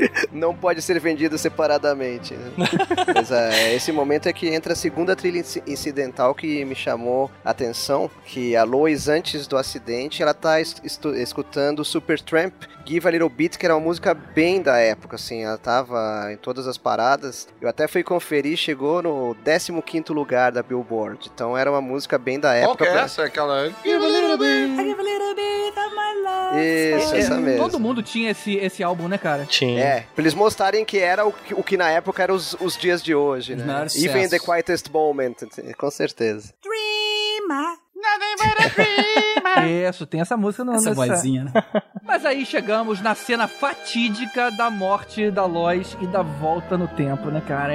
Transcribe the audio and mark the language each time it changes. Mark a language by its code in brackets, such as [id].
[pt] Não pode ser vendido separadamente. Mas esse momento é que entra a segunda trilha incidental que me chamou a atenção, que a Lois, antes do acidente, ela tá escutando Supertramp, Give a Little Beat, que era uma música bem da época, assim, ela tava em todas as paradas. Eu até fui conferir, chegou no 15º lugar da Billboard, então era uma música bem da época. Qual que é essa? Aquela... [en] Give a little beat, I give a little beat of my love. [pt] Isso, essa mesmo. Todo mundo tinha esse álbum, né, cara? Tinha. É, pra eles mostrarem que era o que na época era os dias de hoje, né? [en] Narciso. Even the quietest moment, [pt] com certeza. [en] Dreamer. [pt] Isso, tem essa música no essa vozinha, né? Mas aí chegamos na cena fatídica da morte da Lois e da volta no tempo, né, cara?